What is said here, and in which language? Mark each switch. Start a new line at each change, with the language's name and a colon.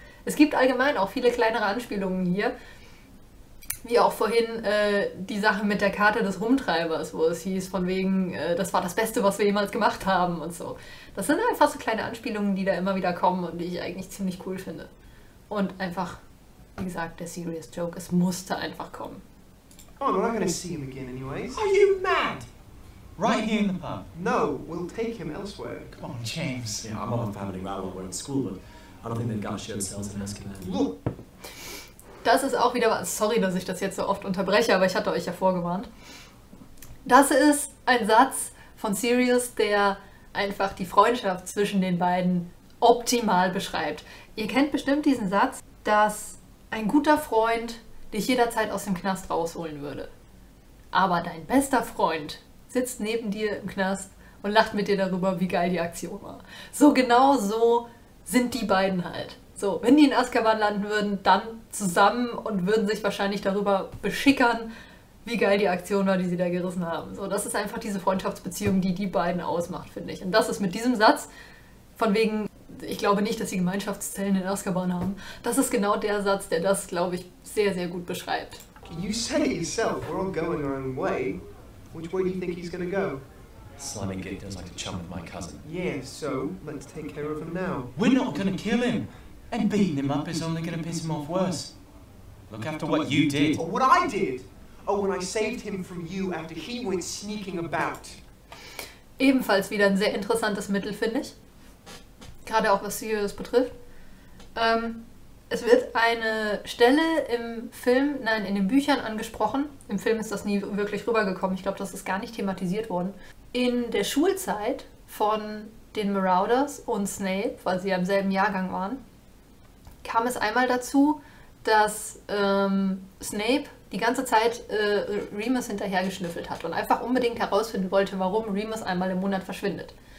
German: Es gibt allgemein auch viele kleinere Anspielungen hier. Wie auch vorhin die Sache mit der Karte des Rumtreibers, wo es hieß, von wegen, das war das Beste, was wir jemals gemacht haben und so. Das sind einfach so kleine Anspielungen, die da immer wieder kommen und die ich eigentlich ziemlich cool finde. Und einfach, wie gesagt, der Serious Joke, es musste einfach kommen.
English: Oh, we're not gonna see him again anyways. Are you mad? Right here in the pub. No, we'll take him elsewhere. Come on, James. Yeah, I'm on a family row while we're in school, but I don't think they've got shared cells in Escanet.
German: Das ist auch wieder was. Sorry, dass ich das jetzt so oft unterbreche, aber ich hatte euch ja vorgewarnt. Das ist ein Satz von Sirius, der einfach die Freundschaft zwischen den beiden optimal beschreibt. Ihr kennt bestimmt diesen Satz, dass ein guter Freund dich jederzeit aus dem Knast rausholen würde. Aber dein bester Freund sitzt neben dir im Knast und lacht mit dir darüber, wie geil die Aktion war. So genau so sind die beiden halt. So, wenn die in Azkaban landen würden, dann zusammen und würden sich wahrscheinlich darüber beschickern, wie geil die Aktion war, die sie da gerissen haben. So, das ist einfach diese Freundschaftsbeziehung, die die beiden ausmacht, finde ich. Und das ist mit diesem Satz, von wegen, ich glaube nicht, dass sie Gemeinschaftszellen in Azkaban haben, das ist genau der Satz, der das, glaube ich, sehr, sehr gut beschreibt.
English: You said it yourself, we're all going our own way. Which way do you think he's gonna go? Slamming Gate does like to chum with my cousin. Yeah, so, let's take care of him now. We're not gonna kill him! And beating him up is only going to piss him off worse. Look after what you did. Or what I did. Oh, when I saved him from you after he went sneaking about.
German: Ebenfalls wieder ein sehr interessantes Mittel, finde ich. Gerade auch was Sirius betrifft. Es wird eine Stelle im Film, nein, in den Büchern angesprochen. Im Film ist das nie wirklich rübergekommen. Ich glaube, das ist gar nicht thematisiert worden. In der Schulzeit von den Marauders und Snape, weil sie ja im selben Jahrgang waren, kam es einmal dazu, dass Snape die ganze Zeit Remus hinterhergeschnüffelt hat und einfach unbedingt herausfinden wollte, warum Remus einmal im Monat verschwindet.